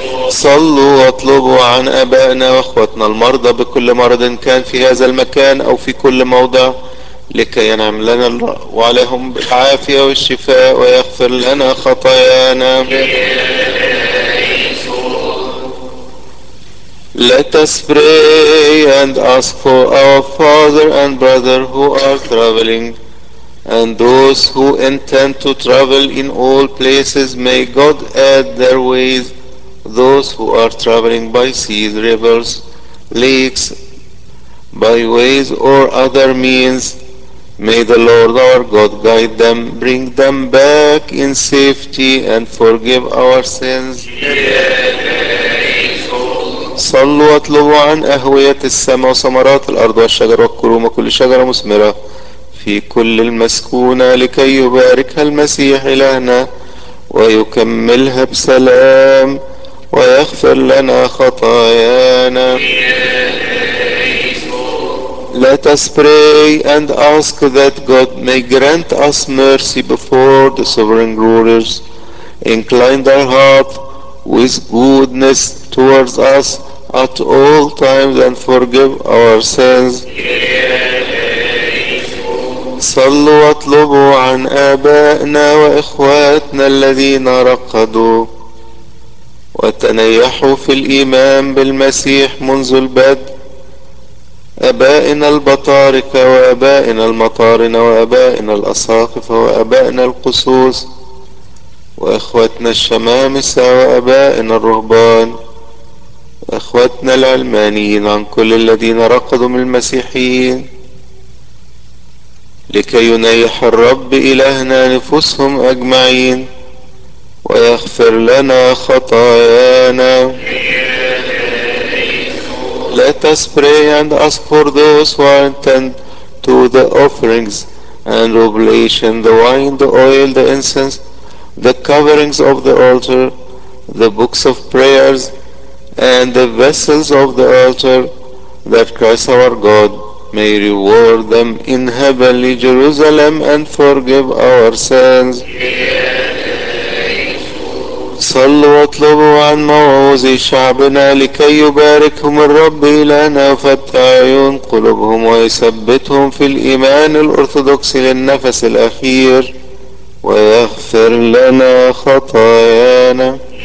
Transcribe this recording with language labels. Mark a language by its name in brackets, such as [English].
[Arabic] صلوا واطلبوا عن أبائنا وأخواتنا المرضى بكل مرض كان في هذا المكان أو في كل موضع لكي ينعم لنا وعليهم بالعافية والشفاء ويغفر لنا خطايانا. [English] Let us pray and ask for our father and brother who are traveling and those who intend to travel in all places. May God add their ways those who are traveling by seas, rivers, lakes, by ways or other means. May the Lord our God guide them, bring them back in safety and forgive our sins. [Arabic] صلوا واطلبوا عن أهوية السماء وثمرات الأرض والشجر والكروم وكل شجرة مثمرة في كل المسكونة لكي يباركها المسيح إلهنا ويكملها بسلام ويغفر لنا خطايانا. [English] Let us pray and ask that God may grant us mercy before the sovereign rulers, incline their heart with goodness towards us at all times and forgive our sins. [Arabic] صلوا واطلبوا عن آبائنا وإخواتنا الذين رقدوا وتنيحوا في الإيمان بالمسيح منذ البدء. آبائنا البطاركة وآبائنا المطارنة وآبائنا الأساقفة وآبائنا القصوص وإخواتنا الشمامسة وآبائنا الرهبان أخواتنا العلمانيين عن كل الذين رقدوا من المسيحيين لكي ينيح الرب إلهنا نفوسهم أجمعين ويغفر لنا خطايانا. [English] Let us pray and ask for those who are intent to the offerings and oblation, the wine, the oil, the incense, the coverings of the altar, the books of prayers, and the vessels of the altar, that Christ our God may reward them in heavenly Jerusalem and forgive our sins. [Arabic] صلوا واطلبوا عن موعوظ شعبنا لكي يباركهم الرب إلهنا ويفتح عيون قلوبهم ويثبتهم في الإيمان الأرثوذكسي للنفس الأخير ويغفر لنا خطايانا.